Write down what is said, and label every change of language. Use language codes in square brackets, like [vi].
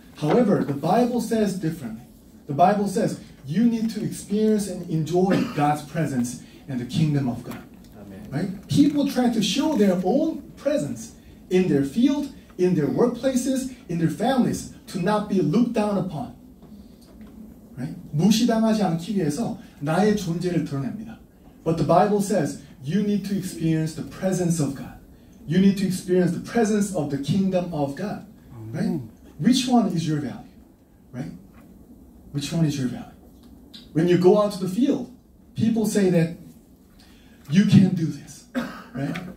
[en] However, the Bible says differently. The Bible says you need to experience and enjoy God's presence and the kingdom of God. Amen. Right? People try to show their own presence in their field, in their workplaces, in their families, to not be looked down upon, right? [ko] 무시당하지 않기 위해서 나의 존재를 드러냅니다. [en] But the Bible says you need to experience the presence of God. You need to experience the presence of the kingdom of God, right? Mm. Which one is your value, right? Which one is your value? When you go out to the field, people say that you can do this, right?